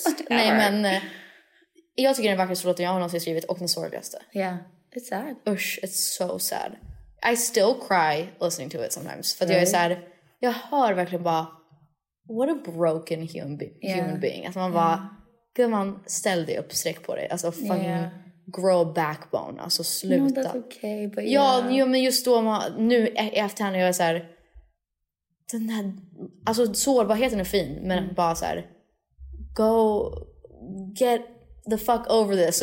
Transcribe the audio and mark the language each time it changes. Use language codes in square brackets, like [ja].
[sv] Nej, men jag tycker den vackraste låten jag har någonsin skrivit och den sorgligaste. [en] Yeah, it's sad. Usch, it's so sad. I still cry listening to it sometimes. [sv] För jag är sad. Jag hör verkligen bara, [en] what a broken human being. [sv] Att man bara, gud, man ställ dig upp, sträck på dig. Alltså [en] fucking grow backbone. [sv] Alltså sluta. [en] No, that's okay, but yeah. [sv] Ja, men just då, nu efterhand är jag så här. Den där, alltså sårbarheten är fin, men bara så här, [en] go get the fuck over this.